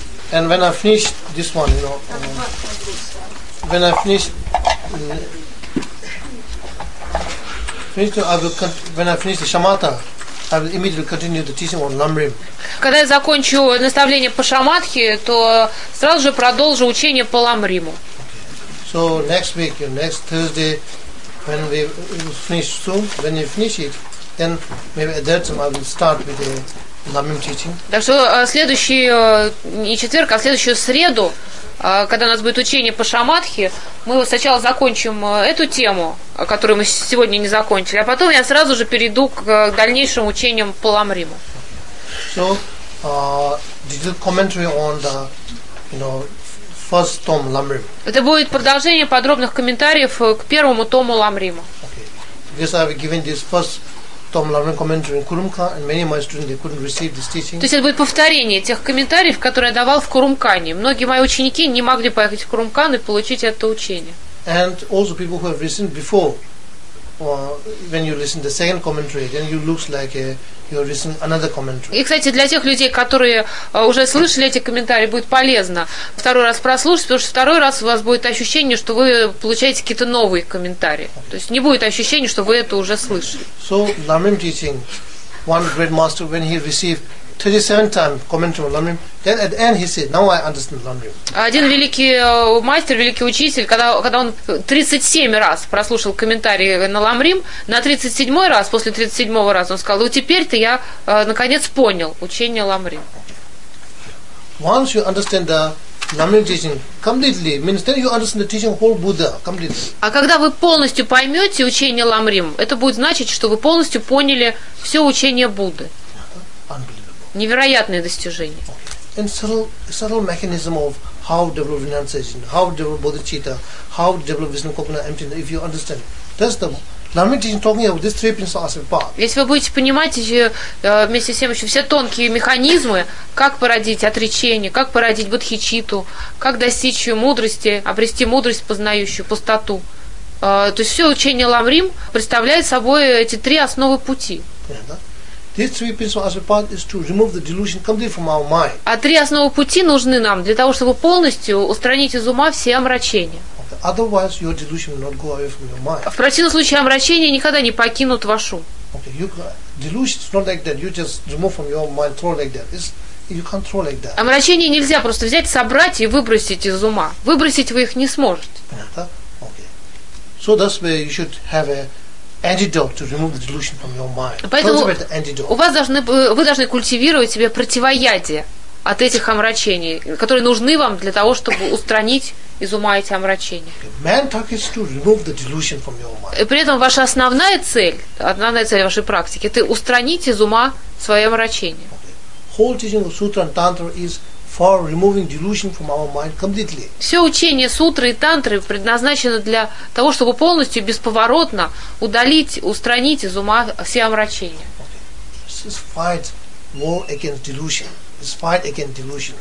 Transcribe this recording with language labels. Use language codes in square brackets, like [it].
[en] And when I finish this one, you know, when I finish, I will when I finish the shamatha, I will immediately continue the teaching on lamrim. [ru] Когда я закончу наставление по шаматхе, то сразу же продолжу учение по ламриму. [en] So next week, next Thursday, when we finish soon, when you finish it, then maybe at that time I will start with the Lamim teaching. [ru] Так что следующий не четверг, а следующую среду, когда у нас будет учение по шамадхи, мы сначала закончим эту тему, которую мы сегодня не закончили, а потом я сразу же перейду к дальнейшим учениям по ламриму. [en] So, did you commentary on the, first tom ламрим? [ru] Это будет продолжение подробных комментариев к первому тому ламрима. [en] Okay, because I've given this first tom ламрим commentary in Kurumka, and many of my students they couldn't receive this teaching. [ru] То есть это будет повторение тех комментариев, которые я давал в Курумкане. Многие мои ученики не могли поехать в Курумкан и получить это учение. [en] And also people who have listened before, when you listen the second commentary, then you looks like a you're listening another commentary. [ru] И, кстати, для тех людей, которые уже слышали эти комментарии, будет полезно второй раз прослушать, потому что второй раз у вас будет ощущение, что вы получаете какие-то новые комментарии. Okay. То есть не будет ощущения, что вы это уже слышали. [en] So, Lamrim teaching, one great master, when he received 37 times commentary on Lamrim, then at the end he said, now I understand Lamrim. [ru] Один великий мастер, великий учитель, когда он 37 раз прослушал комментарии на Ламрим, на 37 раз, после 37 раза он сказал, теперь-то я наконец понял учение Ламрим. [en] Once you understand the Lamrim teaching completely, means then you understand the teaching of whole Buddha completely. [ru] А когда вы полностью поймете учение Ламрим, это будет значить, что вы полностью поняли все учение Будды. Невероятное достижение. [en] And subtle mechanism of how develop renunciation, how develop bodhicitta, how develop wisdom, kokuna, emptiness, if you understand. That's the Lamrim teaching talking about these three principles of path. [ru] Если вы будете понимать вместе с тем еще все тонкие механизмы, как породить отречение, как породить бодхичитту, как достичь мудрости, обрести мудрость, познающую пустоту. То есть все учение Ламрим представляет собой эти три основы пути. [en] These three principles of path is to remove the delusion completely from our mind. [ru] А три основы пути нужны нам для того, чтобы полностью устранить из ума все омрачения. [en] Okay. Otherwise, your delusion will not go away from your mind. [ru] В противном случае омрачения никогда не покинут ваш ум. [en] Okay. You, delusion is not like that. You just remove from your mind, throw like that. It's, you can't throw like that. [ru] Омрачения нельзя просто взять, собрать и выбросить из ума. Выбросить вы их не сможете. [en] Yeah. Okay. So that's where you should have a antidote to remove the delusion from your mind. [ru] Поэтому [en] cultivate the antidote. [ru] У вас должны, вы должны культивировать себе противоядие от этих омрачений, которые нужны вам для того, чтобы устранить из ума эти омрачения. [en] Mantak is to remove the delusion from your mind. [ru] И при этом ваша основная цель вашей практики, это устранить из ума свои омрачения. [en] Okay. Whole teaching of sutra and tantra is for removing delusion from our mind completely. [ru] Все учение сутры и тантры предназначено для того, чтобы полностью бесповоротно удалить, устранить из ума все омрачения. [en] Okay. This is fight war against delusion. This fight against delusion.